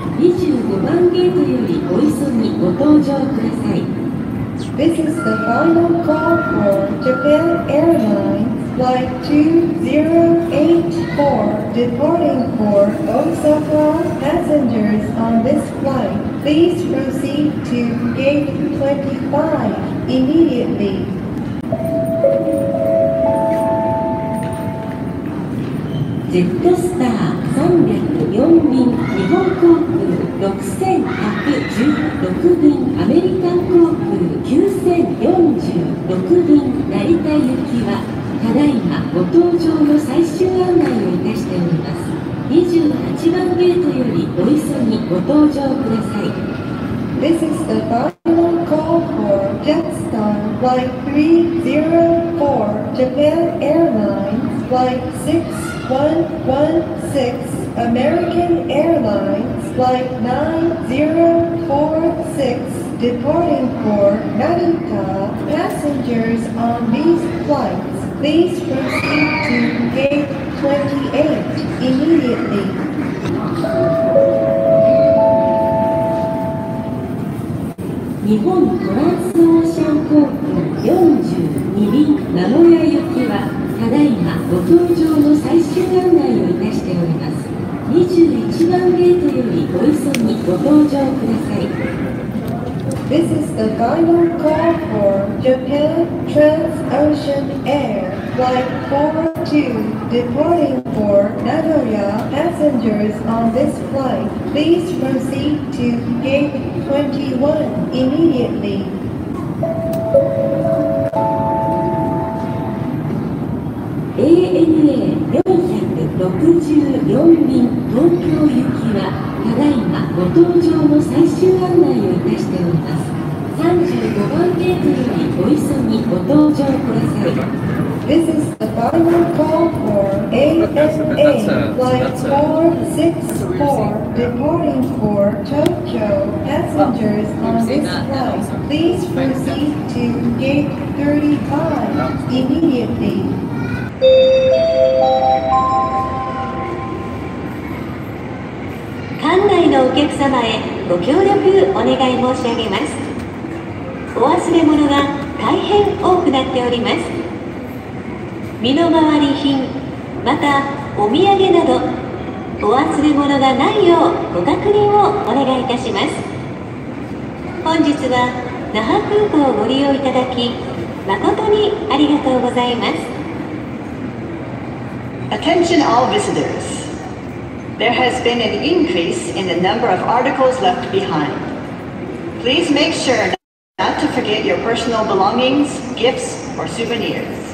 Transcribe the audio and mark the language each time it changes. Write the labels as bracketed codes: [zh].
[ja] 25番ゲートよりお急ぎご搭乗ください。 [en] This is the final call for Japan Airlines Flight 2084 Departing for Osaka Passengers on this flight. Please proceed to gate 25 Immediately. [ja] Jetstar 304便日本航空6116便アメリカン航空9046便成田行きは、ただいまご搭乗の最終案内をいたしております。 28番ゲートよりお急ぎご搭乗ください。 [en] This is the final call for JetstarFlight 304, Japan Airlines, Flight 6116, American Airlines, Flight 9046, Departing for Narita, Passengers on these flights, please proceed to gate 28 immediately. [ja] 日本トランスオーシャン航空42便名古屋行きは、ただいまご搭乗の最終案内をいたしております。 21番ゲートよりご急ぎご搭乗ください。 [en] This is the final call for Japan Transocean Air Flight 402 departing for Nagoya. Passengers on this flight, please proceed to gate 21 immediately. [ja] ANA 464便東京行きはただいまご搭乗の最終案内をいたしております。 35番ゲートよりお急ぎご搭乗ください。 [en] This is the final call for ANA flight 464 departing for Tokyo. Passengers on this flight, please proceed to gate 35 immediately [ja] お客様へご協力お願い申し上げます。お忘れ物が大変多くなっております。身の回り品またお土産などお忘れ物がないようご確認をお願いいたします。本日は那覇空港をご利用いただき誠にありがとうございます。 [en] Attention all visitorsThere has been an increase in the number of articles left behind. Please make sure not to forget your personal belongings, gifts, or souvenirs.